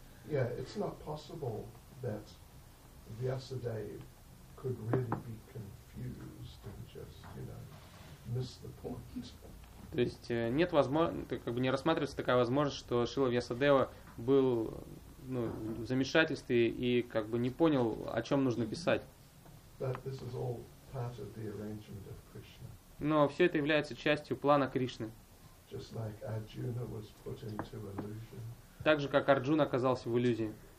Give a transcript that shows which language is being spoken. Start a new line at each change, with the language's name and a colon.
English: Yeah, it's not possible that Vyasadeva could really be confused and just, you know, miss the point.
Russian: То есть нет возможно, как бы не рассматривается такая возможность, что Шрила Вьясадева был в замешательстве и как бы не понял, о чем нужно писать.
English: But this is all part of the arrangement of Krishna.
Russian: Но все это является частью плана Кришны.
English: Just like Arjuna was put into illusion.
Russian: Так же, как Арджун оказался в иллюзии.